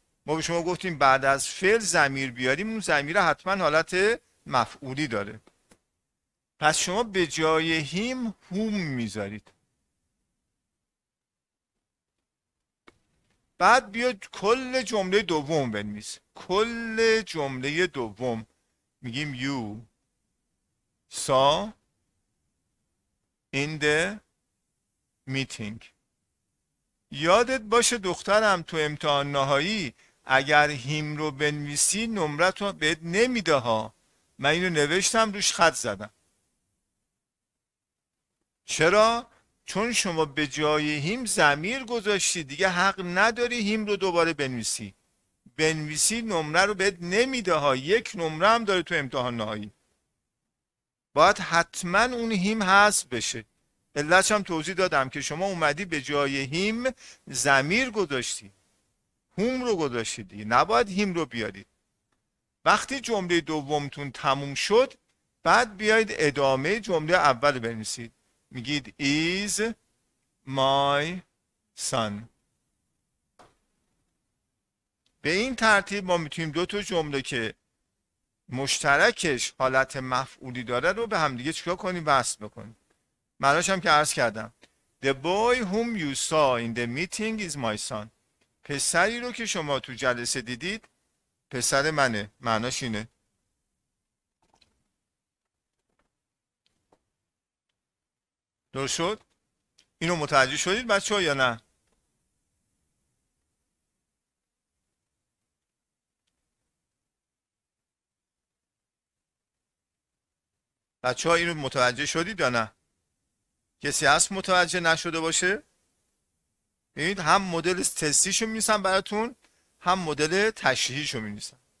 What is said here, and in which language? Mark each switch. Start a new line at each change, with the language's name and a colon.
Persian: ما به شما گفتیم بعد از فعل ضمیر بیاریم، اون ضمیر حتما حالت مفعولی داره. پس شما به جای هیم هوم میذارید. بعد بیا کل جمله دوم بنویس. کل جمله دوم میگیم
English: you saw in the meeting.
Persian: یادت باشه دخترم تو امتحان نهایی اگر هیم رو بنویسی نمرت رو بهت نمیده ها. من اینو نوشتم روش خط زدم. چرا؟ چون شما به جای هیم ضمیر گذاشتی، دیگه حق نداری هیم رو دوباره بنویسی. بنویسی نمره رو بهت نمیده ها. یک نمره هم داره تو امتحان نهایی. باید حتما اون هیم حذف بشه. علتش هم توضیح دادم که شما اومدی به جای هیم ضمیر گذاشتی. هوم رو گذاشتی دیگه. نباید هیم رو بیارید. وقتی جمله دومتون تموم شد، بعد بیایید ادامه جمله اول بنویسید. میگید
English: is my son.
Persian: به این ترتیب ما میتونیم دو تا جمله که مشترکش حالت مفعولی داره رو به هم دیگه چیکار کنیم؟ وصل بکنیم. معناش هم که عرض کردم،
English: the boy whom you saw in the meeting is my son.
Persian: پسری رو که شما تو جلسه دیدید پسر منه. معناش اینه. درست شد؟ اینو متوجه شدید بچه ها یا نه؟ بچه ها اینو متوجه شدید یا نه؟ کسی هست متوجه نشده باشه؟ ببینید هم مدل تستیشو می‌نویسم براتون، هم مدل تشریحیشو می‌نویسم.